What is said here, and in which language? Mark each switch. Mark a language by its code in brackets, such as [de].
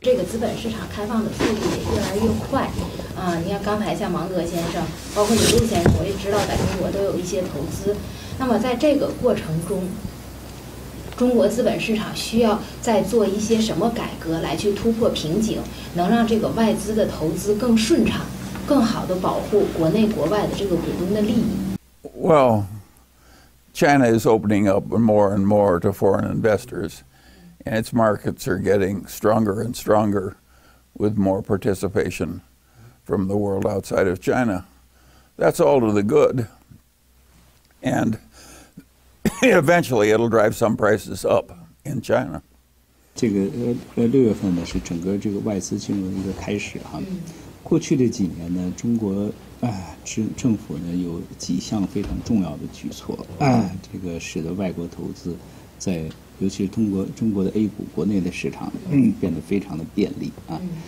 [zh] 这个资本市场开放的速度也越来越快，你看刚才像芒格先生，包括李路先生，我也知道在中国都有一些投资。那么在这个过程中，中国资本市场需要再做一些什么改革来去突破瓶颈，能让这个外资的投资更顺畅，更好地保护国内国外的这个股东的利益？ [en] Well,China is opening up more and more to foreign investors, and its markets are getting stronger and stronger with more participation from the world outside of China. That's all to the good. And eventually, it'll drive some prices up in China. [zh] 这个六月份呢是整个这个外资进入的一个开始哈。过去的几年呢，中国政府呢有几项非常重要的举措，这个使得外国投资在尤其是中国的 A 股国内的市场变得非常的便利啊。